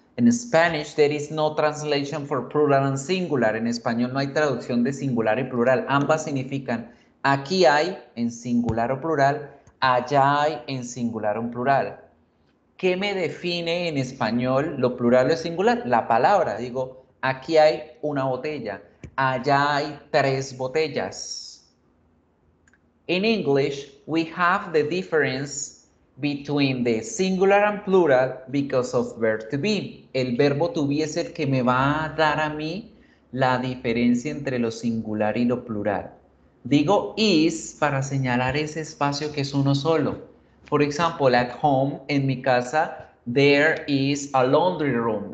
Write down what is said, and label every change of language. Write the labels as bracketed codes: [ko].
[en] In Spanish, there is no translation for plural and singular. [es] En español no hay traducción de singular y plural. Ambas significan aquí hay en singular o plural, allá hay en singular o plural. ¿Qué me define en español lo plural o singular? La palabra. Digo, aquí hay una botella. Allá hay tres botellas. [en] In English, we have the difference between the singular and plural because of verb to be. [es] El verbo to be es el que me va a dar a mí la diferencia entre lo singular y lo plural. Digo is para señalar ese espacio que es uno solo. [en] For example, at home, [es] en mi casa, [en] there is a laundry room.